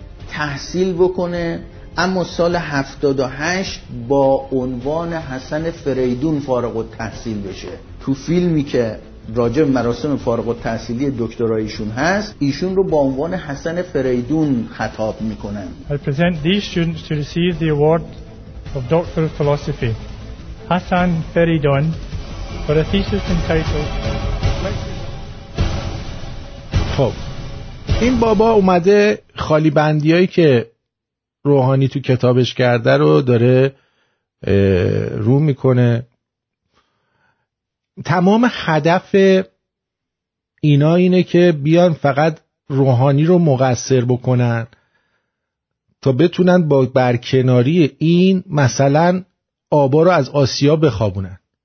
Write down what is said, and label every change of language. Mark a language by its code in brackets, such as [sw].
[fa] تحصیل بکنه اما سال 78 با عنوان حسن فریدون فارغ التحصیل بشه؟ تو فیلمی که راجع مراسم فارغ التحصیلی دکترایشون هست ایشون رو با عنوان حسن فریدون خطاب میکنن. [en] I present these students to receive the award of Doctor of Philosophy Hassan Feridun for a thesis entitled. [fa] خب این بابا اومده خالی بندیایی که روحانی تو کتابش کرده رو داره رو میکنه. تمام هدف اینا اینه که بیان فقط روحانی رو مقصر بکنن تا بتونن با برکناری این مثلا آبا رو از آسیا بخوابونن.